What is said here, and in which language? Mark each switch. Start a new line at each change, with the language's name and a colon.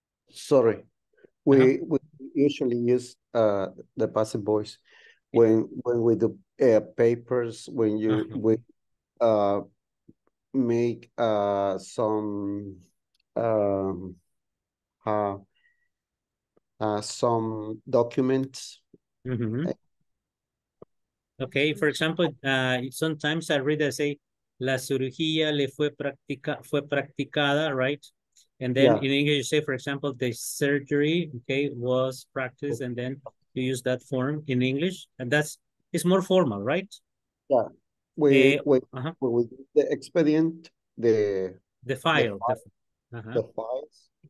English: Sorry, we usually use the passive voice when we do papers, when you we make some documents. Mm-hmm. Okay, for example, sometimes I read, I say,
Spanish: la cirugía le fue practicada,
English: right? And then in English, you say, for example, the surgery, okay, was practiced, and then you use that form in English. And that's, it's more formal, right? Yeah. We the expedient, the file. The files.